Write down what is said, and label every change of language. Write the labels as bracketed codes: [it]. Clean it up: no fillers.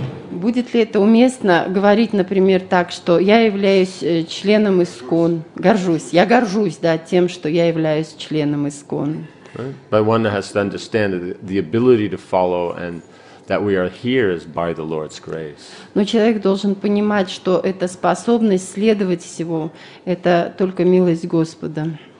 [ru] Будет ли это уместно говорить, например, так, что я являюсь членом ИСКОН, горжусь, я горжусь, да, тем, что я являюсь членом ИСКОН. [en] Right. But one has to understand that the ability to follow and that we are here is by the Lord's grace. [ru] Но человек должен понимать, что эта способность следовать всего, это только милость Господа.